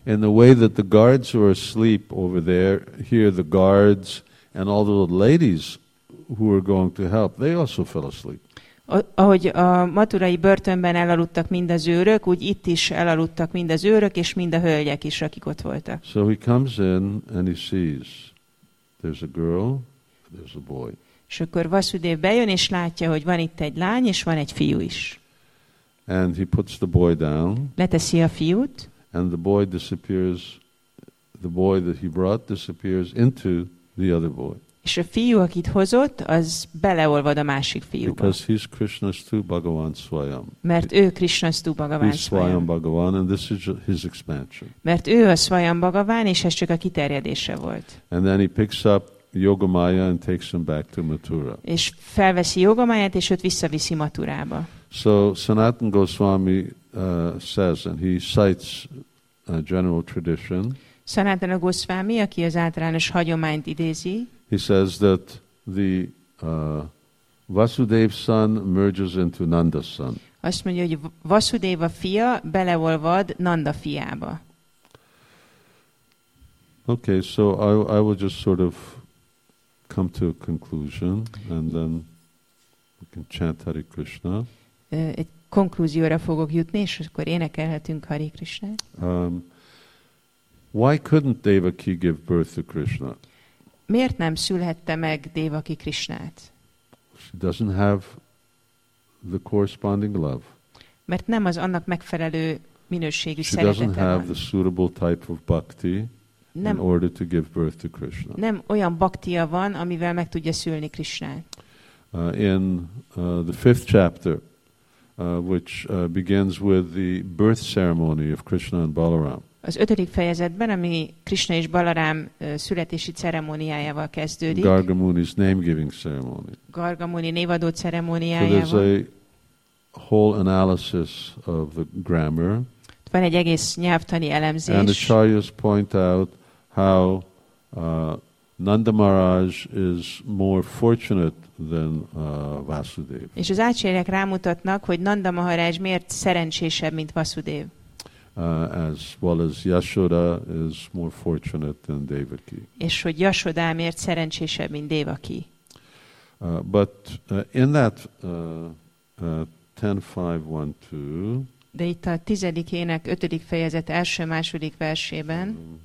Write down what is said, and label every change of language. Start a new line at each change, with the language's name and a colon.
English: In the way that the guards were asleep over there, here the guards and all the ladies who were going to help, they also fell asleep.
Hungarian: Ahogy a maturai börtönben elaludtak mind az őrök, úgy itt is elaludtak mind az őrök és mind a hölgyek is, akik ott voltak.
English: So he comes in and he sees there's a girl, there's a boy.
Hungarian: És akkor Vasudev bejön és látja, hogy van itt egy lány és van egy fiú is.
English: And he puts the boy down.
Hungarian: Leteszi a fiút.
English: And the boy disappears, the boy that he brought disappears into the other boy.
Hungarian: És a fiú, akit hozott, az beleolvad a másik fiúba.
English: Because he's Krishna's too, Bhagavan Swayam.
Hungarian: Mert ő
English: Krishna's too,
Hungarian: Bhagavan Swayam.
English: He's Swayam Bhagavan, and this is his expansion.
Hungarian: Mert ő a Swayam Bhagavan, és ez csak a kiterjedése volt.
English: And then he picks up Yogamaya and takes him back to Mathura.
Hungarian: És felveszi Yogamayát, és őt visszaviszi Mathurába.
English: So Sanatan Goswami says, and he cites a general tradition.
Hungarian: Sanatana Goswami, aki az általános hagyományt idézi.
English: He says that the Vasudev's son merges into Nanda's son.
Hungarian: Azt mondja, hogy Vasudev a fia beleolvad Nanda fiába.
English: Okay, so I will just sort of come to a conclusion and then we can chant Hare Krishna.
Hungarian: Egy konklúzióra fogok jutni, és akkor énekelhetünk Hare Krishnát.
English: Why couldn't Devaki give birth to Krishna?
Hungarian: Miért nem szülhette meg Devaki Krishnát?
English: She doesn't have the corresponding love.
Hungarian: Mert nem az annak megfelelő minőségű szeretete.
English: She doesn't have the suitable type of bhakti in order to give birth to Krishna.
Hungarian: Nem olyan bhaktia van, amivel meg tudja szülni Krishnát.
English: In the fifth chapter, which begins with the birth ceremony of Krishna and Balaram.
Hungarian: Az ötödik fejezetben, ami Krishna és Balaram születési ceremóniájával kezdődik.
English: Gargamuni's name-giving ceremony.
Hungarian: Gargamuni névadó ceremóniájával.
English: So there's a whole analysis of the grammar.
Hungarian: Van egy egész nyelvtani elemzés.
English: And the Acharyas point out how Nanda Maharaj is more fortunate than Vasudev.
Hungarian: És az Acharyák rámutatnak, hogy Nanda Maharaj miért szerencsésebb, mint Vasudev.
English: As well as Yashoda is more fortunate than Devaki.
Hungarian: És hogy Yashoda miért szerencsésebb, mint Devaki.
English: But in that 10.5.1.2.
Hungarian: De itt a tizedik ének ötödik fejezet első-második versében.